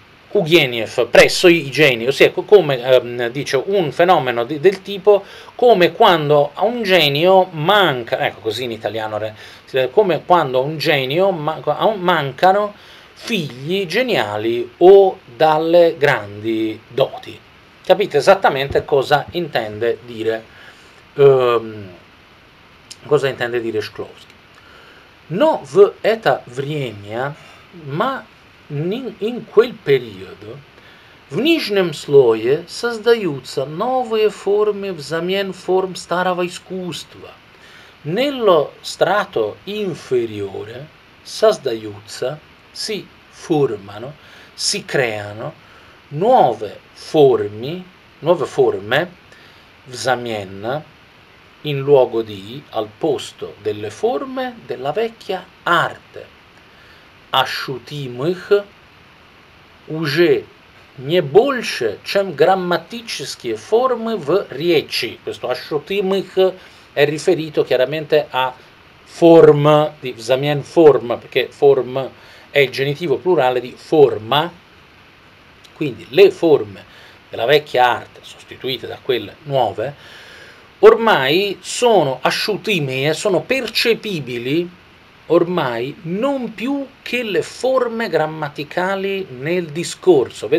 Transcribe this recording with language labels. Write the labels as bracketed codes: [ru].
[it] Ugenief, presso i geni, ossia come dice un fenomeno del tipo come quando a un genio manca, ecco così in italiano, come quando a un genio mancano figli geniali o dalle grandi doti. Capite esattamente cosa intende dire, cosa intende dire Shklovsky. [ru] No, v eta vremya, [it] ma in quel periodo, [ru] в нижнем слое создаются новые формы взамен форм старого искусства. [it] Nello strato inferiore создаются, si formano, si creano nuove forme взамен, in luogo di, al posto delle forme della vecchia arte. [ru] Ощутимых уже не больше, чем грамматические формы в речи. [it] Questo ощутимых è riferito chiaramente a form, di [ru] взамен форма, [it] perché form è il genitivo plurale di forma. Quindi le forme della vecchia arte, sostituite da quelle nuove, ormai sono ощутимые, sono percepibili, ormai non più che le forme grammaticali nel discorso.